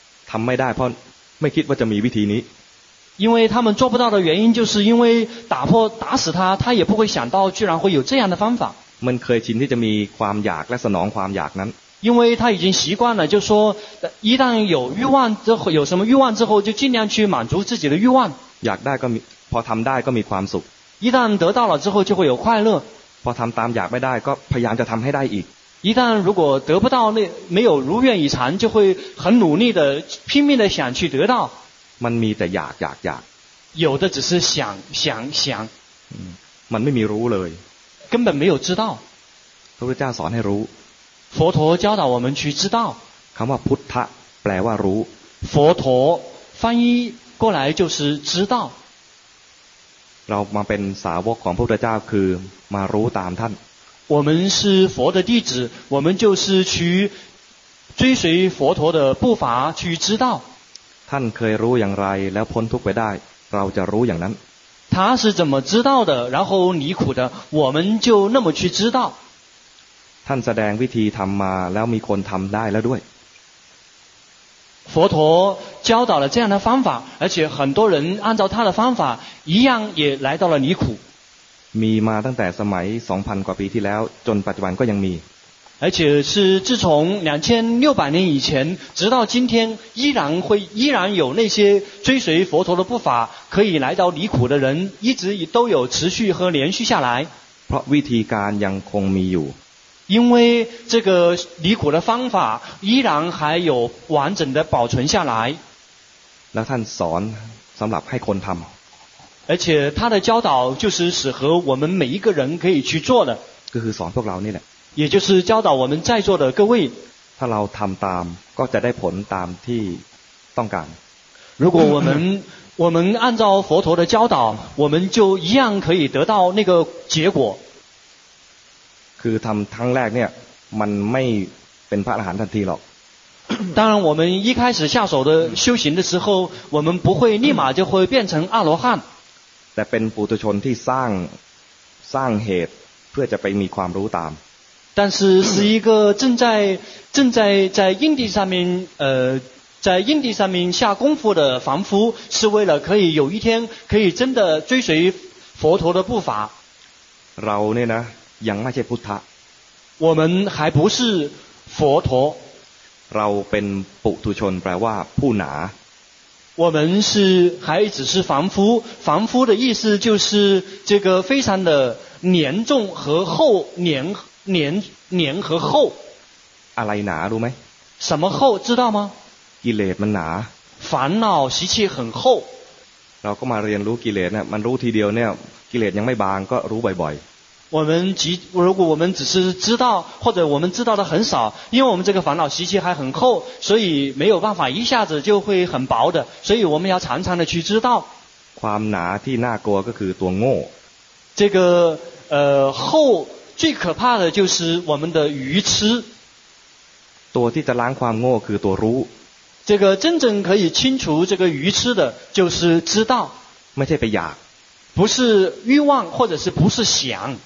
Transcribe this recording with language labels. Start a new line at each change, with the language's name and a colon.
Thai: ทำไม่ได้เพราะไม่คิดว่าจะมีวิธีนี้
Chinese: 因为他们做不到的原因就是因为打死他也不会想到居然会有这样的方法
Thai: มันเคยชินที่จะมีความอยากและสนองความอยากนั้น
Chinese: 因为他已经习惯了就说一旦有欲望之后有什么欲望之后就尽量去满足自己的欲望
Thai: อยากได้ก็มีพอทำได้ก็มีความสุข
Chinese: 一旦得到了之后就会有快乐
Thai: พอทำตามอยากไม่ได้ก็พยายามจะทำให้ได้อีก
Chinese: 一旦如果得不到那没有如愿以偿就会很努力的拼命的想去得到
Thai: มันมีแต่อยากอยากอยาก
Chinese: 有的只是想想想
Thai: มันไม่มีรู้เลย
Chinese: 根本没有知道
Thai: พระพุทธเจ้าสอนให้รู้
Chinese: 佛陀教导我们去知道
Thai: คำว่าพุทธะแปลว่ารู้
Chinese: 佛陀翻译过来就是知道
Thai: เรามาเป็นสาวกของพระพุทธเจ้าคือมารู้ตามท่าน
Chinese: 我们是佛的弟子我们就是去追随佛陀的步伐去知道
Thai: ท่านเคยรู้อย่างไรแล้วพ้นทุกข์ไปได้เราจะรู้อย่างนั้น ท่านคือ
Chinese: 怎么知道的然后离苦的我们就那么去知道
Thai: ท่านแสดงวิธีทำมาแล้วมีคนทำได้แล้วด้วย
Chinese: 佛陀教导了这样的方法而且很多人按照他的方法一样也来到了离苦
Thai: มีมาตั้งแต่สมัย 2,000 กว่าปีที่แล้วจนปัจจุบันก็ยังมี
Chinese: 而且是自从2600年以前直到今天依然有那些追随佛陀的步伐可以来到离苦的人一直都有持续和连续下来
Thai: เพราะวิธีการยังคงมีอยู่
Chinese: 因为这个离苦的方法依然还有完整的保存下来
Thai: แล้วท่านสอนสำหรับให้คนทำ
Chinese: 而且他的教导就是适合我们每一个人可以去做的
Thai: ก็คือสอนพวกเรานี่แหละ
Chinese: 也就是教导我们在座的各位
Thai: ถ้าเราทำตามก็จะได้ผลตามที่ต้องการ
Chinese: 如果我们按照佛陀的教导我们就一样可以得到那个结果
Thai: คือทำครั้งแรกเนี่ยมันไม่เป็นพระอรหันต์ทันทีหรอก
Chinese: 当然我们一开始下手的修行的时候我们不会立马就会变成阿罗汉
Thai: แต่เป็นปุถุชนที่สร้างเหตุเพื่อจะไปมีความรู้ตาม
Chinese: 但是是一个正在印地上面在印地上面下功夫的凡夫是为了可以有一天可以真的追随佛陀的步伐
Thai: เราเนี่ยนะยังไม่ใช่พุทธะ
Chinese: 我们还不是佛陀
Thai: เราเป็นปุถุชนแปลว่าผู้หนา
Chinese: 我们是还只是凡夫凡夫的意思就是这个非常的黏重和厚黏和厚
Thai: อะไรหนารู้ไหม
Chinese: 什么厚知道吗
Thai: กิเลสมันหนา
Chinese: 烦恼习气很厚
Thai: เราก็มาเรียนรู้กิเลสเนี่ยมันรู้ทีเดียวเนี่ยกิเลสยังไม่บางก็รู้บ่อย
Chinese: ๆ我们如果我们只是知道或者我们知道的很少因为我们这个烦恼习气还很厚所以没有办法一下子就会很薄的所以我们要常常的去知道
Thai: ความหนาที่น่ากลัวก็คือตัวโง่
Chinese: 这个厚最可怕的就是我们的愚痴
Thai: ตัวที่จะล้างความโง่คือตัวรู้
Chinese: 这个真正可以清除这个愚痴的就是知道
Thai: ไม่ใช่ไปอยาก
Chinese: 不是欲望或者是不是想